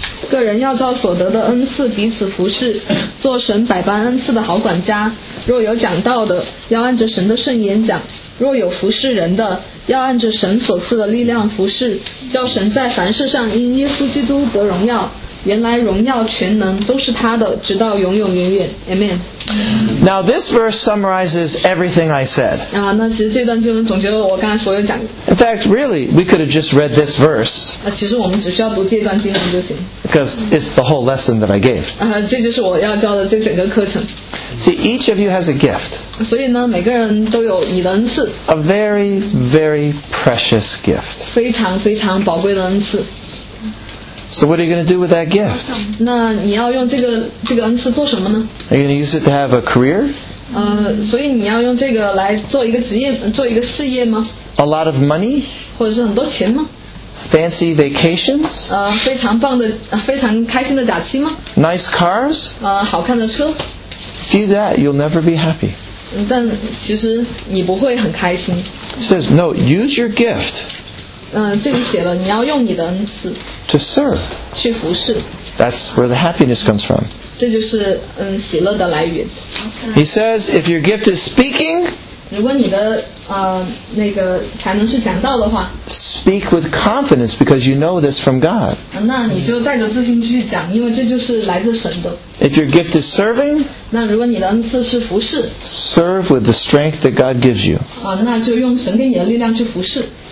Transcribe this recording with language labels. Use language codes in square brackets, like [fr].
[zh] 个人要照所得的恩赐彼此服侍，做神百般恩赐的好管家。若有讲道的，要按着神的圣言讲。若有服侍人的，要按着神所赐的力量服侍，叫神在凡事上因耶稣基督得荣耀。原来荣耀全能都是他的，直到永永远远。 [en] Amen. Now this verse summarizes everything I said. [zh] 啊，那其实这段经文总结了我刚才所有讲。 [en] In fact, really, we could have just read this verse. [zh] 啊，其实我们只需要读这段经文就行。 [en] Because it's the whole lesson that I gave. [zh] 啊，这就是我要教的这整个课程。 [en] See, each of you has a gift. [zh] 所以呢，每个人都有你的恩赐。 [en] A very, very precious gift. [zh] 非常非常宝贵的恩赐。 [en] So what are you going to do with that gift? [zh] 那你要用这个恩赐做什么呢？ [en] Are you going to use it to have a career? [zh] 所以你要用这个来做一个职业，做一个事业吗？ [en] A lot of money? [zh] 或者是很多钱吗？ [en] Fancy vacations? [zh] 非常棒的，非常开心的假期吗？ [en] Nice cars? [zh] 好看的车。 [en] Do that, you'll never be happy. [zh] 但其实你不会很开心。 [en] Says no, use your gift. [zh] 这里写了你要用你的恩赐 [en] to serve [zh] 去服侍 [en] that's where the happiness comes from [zh] 这就是喜乐的来源 [en] he says if your gift is speaking [zh] 如果你的那个才能是讲道的话 [en] speak with confidence because you know this from God [zh] 那你就带着自信去讲因为这就是来自神的 [en] if your gift is serving [zh] 那如果你的恩赐是服侍 [en] serve with the strength that God gives you [zh] 那就用神给你的力量去服侍